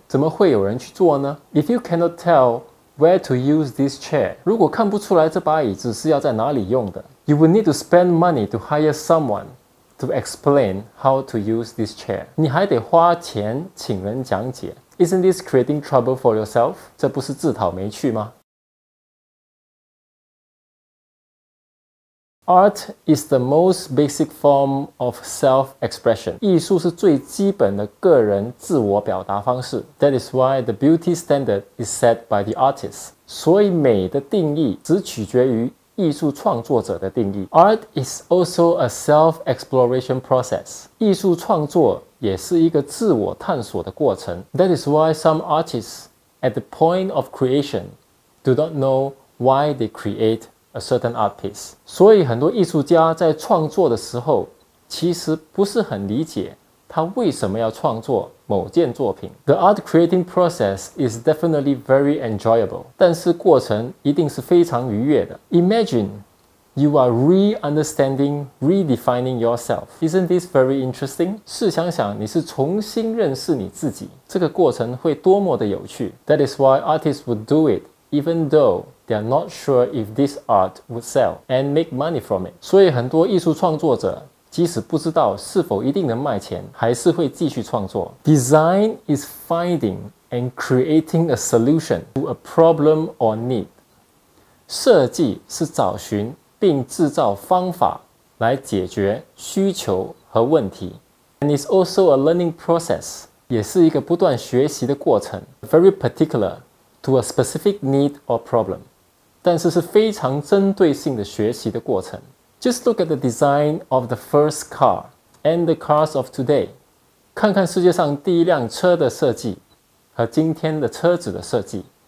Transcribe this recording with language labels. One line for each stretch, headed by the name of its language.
Chinese: 怎么会有人去坐呢 ?
English: If you cannot tell where to use this chair,
Chinese: 如果看不出来这把椅子是要在哪里用的
English: ,you would need to spend money to hire someone to explain how to use this chair.
Chinese: 你还得花钱请人讲解。
English: Isn't this creating trouble for yourself?
Chinese: 这不是自讨没趣吗？
English: Art is the most basic form of self-expression.
Chinese: 艺术是最基本的个人自我表达方式。
English: That is why the beauty standard is set by the artist.
Chinese: 所以美的定义只取决于艺术创作者的定义。
English: Art is also a self-exploration process.
Chinese: 艺术创作也是一个自我探索的过程。
English: That is why some artists at the point of creation do not know why they create a certain art piece.
Chinese: 所以很多艺术家在创作的时候其实不是很理解他为什么要创作某件作品。
English: The art creating process is definitely very enjoyable.
Chinese: 但是过程一定是非常愉悦的。
English: Imagine you are re-understanding, redefining yourself. Isn't this very interesting?
Chinese: 试想想你是重新认识你自己。这个过程会多么的有趣。
English: That is why artists would do it, even though they are not sure if this art would sell and make money from it.
Chinese: 所以很多艺术创作者即使不知道是否一定能卖钱还是会继续创作。
English: Design is finding and creating a solution to a problem or need.
Chinese: 设计是找寻并制造方法来解决需求和问题。
English: And it's also a learning process.
Chinese: 也是一个不断学习的过程。
English: Very particular to a specific need or problem.
Chinese: 但是是非常针对性的学习的过程。
English: Just look at the design of the first car and the cars of today.
Chinese: 看看世界上第一辆车的设计和今天的车子的设计。